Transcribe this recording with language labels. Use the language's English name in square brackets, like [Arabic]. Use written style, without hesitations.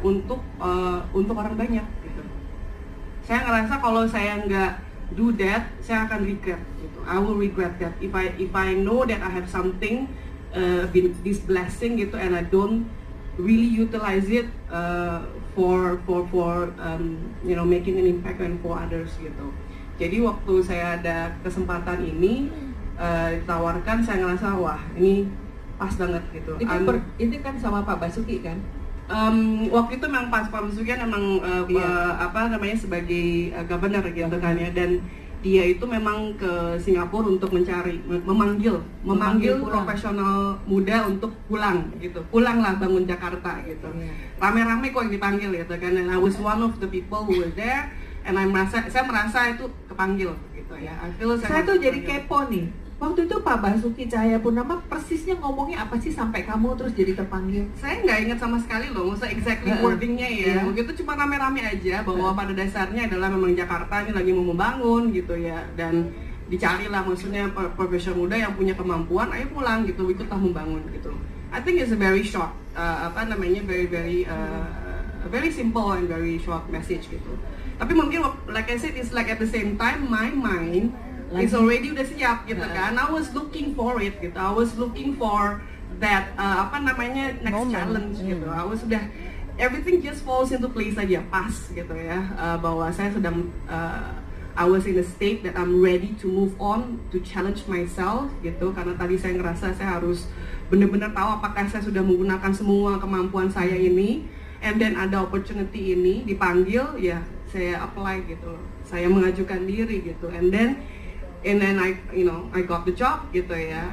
[Indonesian] Untuk orang banyak gitu. Saya ngerasa kalau saya enggak [English] do that, [Indonesian] saya akan regret gitu. [English] I will regret that if I know that I have something this blessing gitu and I don't really utilize it for making an impact and for others gitu. [Indonesian] Jadi waktu saya ada kesempatan ini ditawarkan, saya ngerasa wah ini pas banget gitu. Ini kan sama Pak Basuki kan? Waktu itu memang pas Pak Basuki kan memang sebagai governor gitu kan ya. Dan dia itu memang ke Singapura untuk mencari, memanggil profesional muda untuk pulang gitu. Pulanglah bangun Jakarta gitu. Yeah. Rame-rame kok yang dipanggil gitu kan. [English] And I was one of the people who were there. [Indonesian] And saya merasa itu kepanggil gitu ya. [English] I feel [Indonesian] saya tuh jadi kepo nih. Waktu itu Pak Basuki Cahayapurnama persisnya ngomongnya apa sih sampai kamu terus jadi terpanggil? Saya nggak ingat sama sekali loh, nggak usah exactly wordingnya ya. Yeah. Waktu itu cuma rame-rame aja bahwa pada dasarnya adalah memang Jakarta ini lagi mau membangun gitu ya. Dan dicarilah maksudnya profesional muda yang punya kemampuan, ayo pulang gitu, ikutlah membangun gitu. [English] I think it's a very short, very simple and very short message gitu. [Indonesian] Tapi mungkin [English] like I said, it's like at the same time my mind it's already [Indonesian] udah siap gitu kan. [English] I was looking for it gitu. I was looking for that next moment. Challenge gitu. I was udah everything just falls into place aja pas gitu ya. [Indonesian] Bahwa saya sedang [English] I was in a state that I'm ready to move on to challenge myself gitu. [Indonesian] Karena tadi saya ngerasa saya harus benar-benar tahu apakah saya sudah menggunakan semua kemampuan saya ini. [English] And then [Indonesian] ada opportunity ini dipanggil ya. Saya apply gitu. Saya mengajukan diri gitu. [English] And then I got the job gitu ya.